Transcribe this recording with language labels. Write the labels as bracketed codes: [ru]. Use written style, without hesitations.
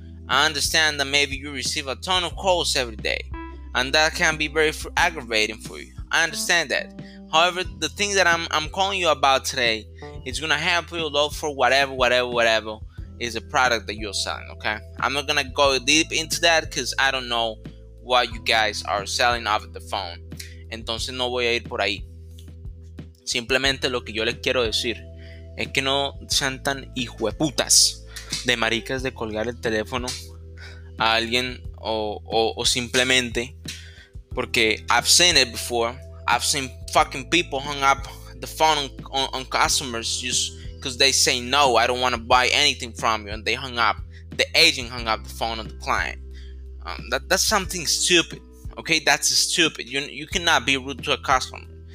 [en] I understand that maybe you receive a ton of calls every day, and that can be very aggravating for you. I understand that. However, the thing that I'm calling you about today is gonna help you look for whatever is a product that you're selling, okay? I'm not gonna go deep into that because I don't know what you guys are selling off the phone. [es] Entonces no voy a ir por ahí. Simplemente lo que yo les quiero decir es que no sean tan hijueputas de maricas de colgar el teléfono a alguien o simplemente porque [en] I've seen it before. I've seen fucking people hung up the phone on customers just because they say, no, I don't want to buy anything from you. And they hung up. The agent hung up the phone on the client. That's something stupid. Okay, that's stupid. You cannot be rude to a customer.